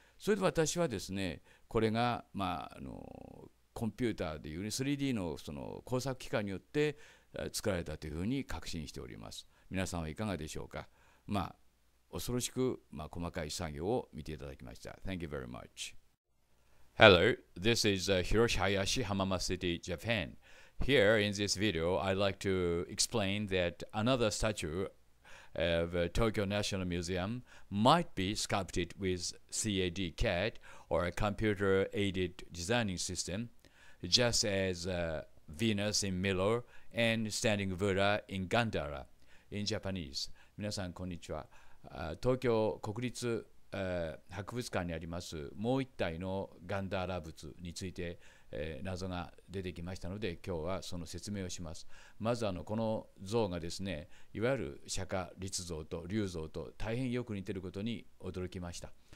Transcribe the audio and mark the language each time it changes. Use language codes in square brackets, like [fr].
[ja] それで私はですね、これがコンピューターでいうように 3D のその工作機械によって作られたというふうに確信しております。皆さんはいかがでしょうか。恐ろしく細かい作業を見ていただきました。 [en] Thank you very much. Hello, this is Hiroshi Hayashi, Hamama City, Japan. Here in this video, I'd like to explain that another statue of Tokyo National Museum might be sculpted with CAD CAD or a computer aided designing systemJust as Venus in Milo and Standing Buddha in Gandhara in Japanese. [ja] 皆さんこんにちは。東京国立博物館にありますもう一体のガンダーラ仏について、謎が出てきましたので、今日はその説明をします。まずこの像がですね、いわゆる釈迦立像と龍像と大変よく似ていることに驚きました。